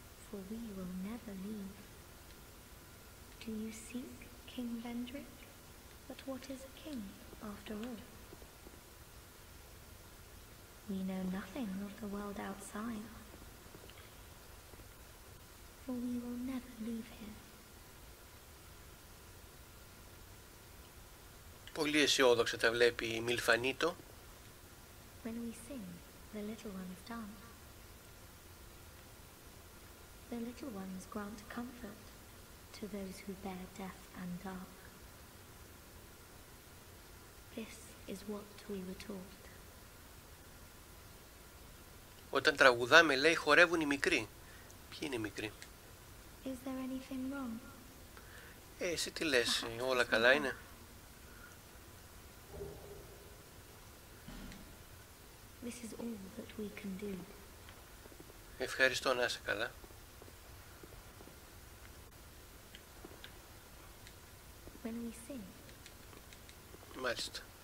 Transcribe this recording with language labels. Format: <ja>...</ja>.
<en>For we will never leave. Do you seek King Vendrick? But what is a king, after all? We know nothing of the world outside. for we will never leave him.</en> <el>Πολύ αισιόδοξα τα βλέπει η Μιλφανίτο.</el> <en>When we sing, the little ones dance. The little ones grant comfort to those who bear death and dark. This is what we were taught.</en> <el>Όταν τραγουδάμε, λέει, χορεύουν οι μικροί. Ποιοι είναι οι μικροί?</el> <en>Is there anything wrong?</en> <el>Εσύ τι λες, όλα καλά είναι?</el> <en>This is all that we can do.</en> <el>Ευχαριστώ, να είσαι καλά.</el> <en>When we sing.</en> <el>Μάλιστα.</el>